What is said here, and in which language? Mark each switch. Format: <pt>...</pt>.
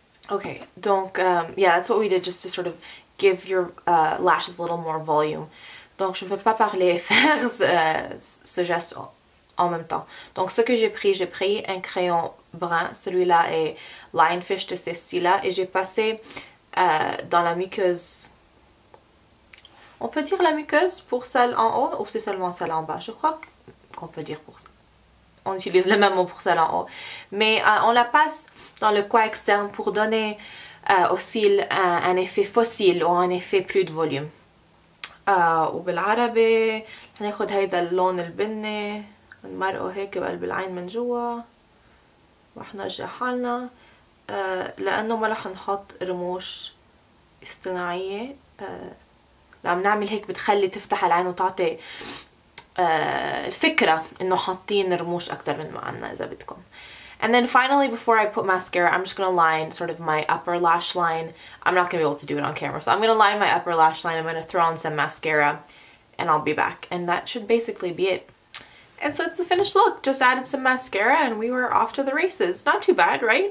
<en>Okay, donc, yeah, that's what we did just to sort of give your lashes a little more volume.</en> <fr>Donc, je ne peux pas parler et faire ce geste en même temps. Donc, ce que j'ai pris un crayon brun, celui-là est Lionfish de ce style-là, et j'ai passé dans la muqueuse. On peut dire la muqueuse pour celle en haut ou c'est seulement celle en bas? Je crois qu'on peut dire pour ça. On utilise le même mot pour celle en haut. Mais on la passe dans le coin externe pour donner aux cils un effet fossile ou un effet plus de volume. Ou</fr> <ar>بالعربي, هناخد هيدا اللون البني, نمرقه هيك بقلب العين من جوا, رح نرجع حالنا, لأنه ما رح نحط رموش اصطناعية, لما نعمل هيك بتخلي تفتح العين وتعطي الفكرة إنه حاطين رموش أكتر من ما عنا إذا بدكم.</ar> <en>And then finally, before I put mascara, I'm just going to line sort of my upper lash line. I'm not going to be able to do it on camera, so I'm going to line my upper lash line. I'm going to throw on some mascara, and I'll be back. And that should basically be it. And so it's the finished look. Just added some mascara, and we were off to the races. Not too bad, right?</en>